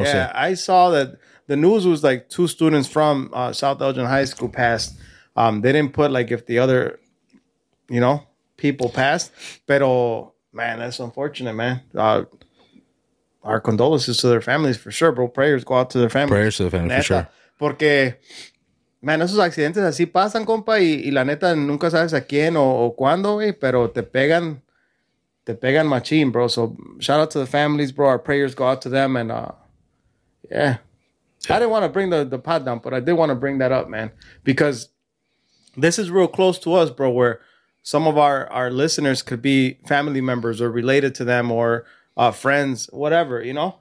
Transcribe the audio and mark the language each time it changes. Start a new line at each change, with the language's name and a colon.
English: Yeah, I saw that the news was like two students from South Elgin High School passed. They didn't put like if the other, you know, people passed. Pero, man, that's unfortunate, man. Our condolences to their families for sure, bro. Prayers go out to their families. Prayers to the family,
Spanish: neta,
English: for sure.
Spanish: Porque... Man, esos accidentes así pasan, compa, y la neta nunca sabes a quién o cuándo, güey, pero te pegan machín,
English: bro. So, shout out to the families, bro. Our prayers go out to them, and yeah. I didn't want to bring the pod down, but I did want to bring that up, man, because this is real close to us, bro, where some of our listeners could be family members or related to them or friends, whatever, you know?